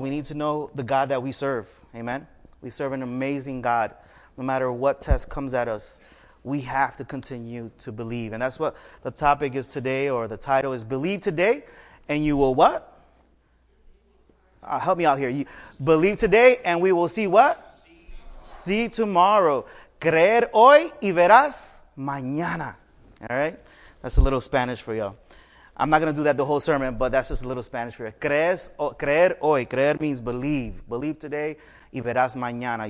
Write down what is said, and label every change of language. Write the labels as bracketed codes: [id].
[en] We need to know the God that we serve. Amen. We serve an amazing God. No matter what test comes at us, we have to continue to believe. And that's what the topic is today, or the title is Believe Today, and you will what? Help me out here. You believe today, and we will see what? See tomorrow. [es] Creer hoy y verás mañana. [en] All right? That's a little Spanish for y'all. I'm not going to do that the whole sermon, but that's just a little Spanish for you. [es] Creer hoy. Creer [en] means believe. Believe today [es] y verás mañana.